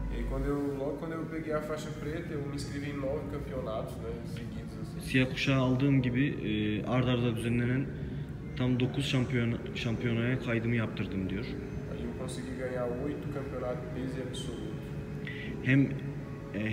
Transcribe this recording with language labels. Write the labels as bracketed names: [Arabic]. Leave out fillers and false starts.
[Portuguese] Quando eu peguei a faixa preta, eu me inscrevi em 9 campeonatos, né, seguidos assim. [Turkish] Siyah kuşağı aldığım gibi arda arda düzenlenen tam 9 şampiyonaya kaydımı yaptırdım diyor. [Portuguese] Eu consegui ganhar 8 campeonatos peso absoluto.